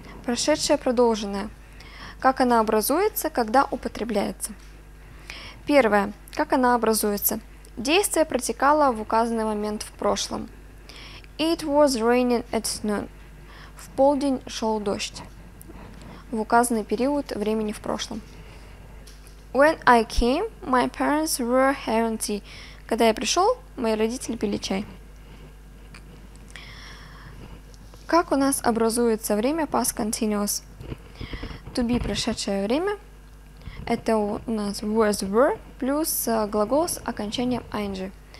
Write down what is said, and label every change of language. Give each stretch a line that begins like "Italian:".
Russian: Прошедшее продолженное. Как она образуется, когда употребляется? Первое. Как она образуется? Действие протекало в указанный момент в прошлом.
English: It was raining at noon.
Russian: В полдень шел дождь. В указанный период времени в прошлом.
English: When I came, my parents were having tea.
Russian: Когда я пришел, мои родители пили чай. Как у нас образуется время past continuous? To be прошедшее время. Это у нас was, were плюс глагол с окончанием ing.